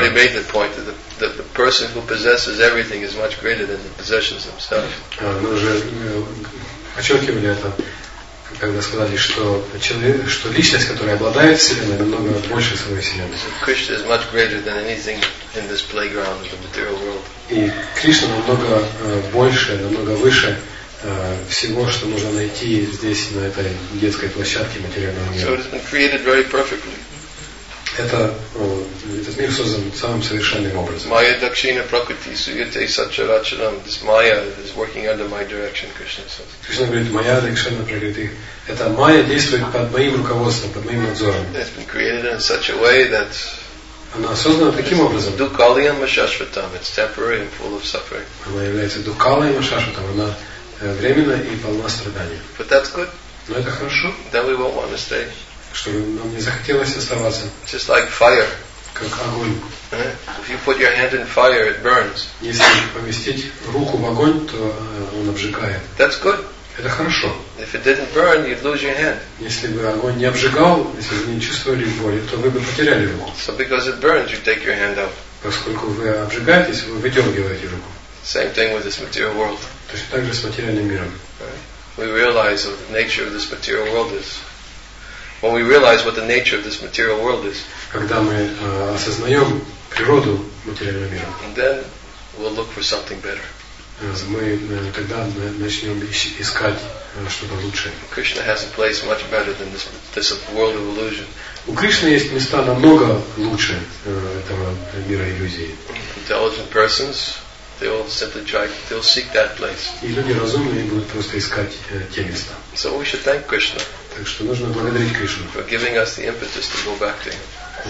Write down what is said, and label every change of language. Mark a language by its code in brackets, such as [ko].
[en] We already made the point that the person who possesses everything is much greater than the possessions themselves. [ru] Мы уже подчеркивали это, когда сказали, что человек, что личность, которая обладает вселенной, намного больше своей вселенной. [en] Krishna is much greater than anything in this playground of the material world. [ru] И Кришна намного больше, намного выше всего, что можно найти здесь, на этой детской площадке материального мира. [en] So it has been created very perfectly. [ru] Этот мир создан самым совершенным образом. [sa] Maya Dakshina Prakriti Suyate Satcharacharam. [en] This Maya is working under my direction, Krishna says. [ru] Krishna говорит, [sa] Maya Dakshina Prakriti. [ru] Это Maya действует под моим руководством, под моим надзором. [en] It's been created in such a way that [ru] она создана таким образом. [sa] Dukaliyam Ashashvatam. [en] It's temporary and full of suffering. [ru] Она является [sa] Dukaliyam Ashashvatam. [ru] Она временна и полна страданий. [en] But that's good. [ru] Но это хорошо. [en] Then we won't want to stay. [ru] Чтобы нам не захотелось оставаться. [en] Just like fire. [ru] Как огонь. [en] If you put your hand in fire, it burns. [ru] Если поместить руку в огонь, то он обжигает. [en] That's good. [ru] Это хорошо. [en] If it didn't burn, you'd lose your hand. [ru] Если бы огонь не обжигал, если бы не чувствовали боли, то вы бы потеряли руку. [en] So because it burns, you take your hand out. [ru] Поскольку вы обжигаетесь, вы выдергиваете руку. [en] Same thing with this material world. [ru] Точно так же с материальным миром. [en] We realize the nature of this material world is. When we realize what the nature of this material world is, [ru] когда мы осознаем природу материального мира, [en] then we'll look for something better. [ru] Мы тогда начнем искать что-то лучшее. [en] Krishna has a place much better than this world of illusion. [ru] У Кришны есть места намного лучше этого мира иллюзии. [en] Intelligent persons, they'll seek that place. [ru] И люди разумные будут просто искать те места. [en] So we should thank Krishna. [ru] Так что нужно благодарить Кришну [en] for giving us the impetus to go back to him.